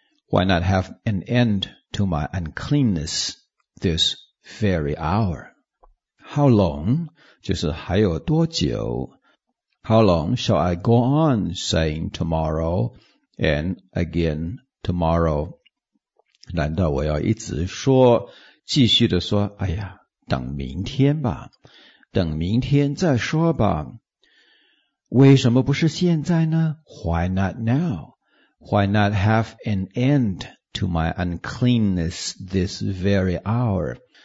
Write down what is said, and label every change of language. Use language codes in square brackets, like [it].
[en] Why not have an end to my uncleanness this very hour? How long, [zh] 就是还有多久， [en] How long shall I go on saying tomorrow and again tomorrow? [zh] 难道我要一直说，继续的说，哎呀，等明天吧，等明天再说吧，为什么不是现在呢？ [en] Why not now? Why not have an end to my uncleanness this very hour?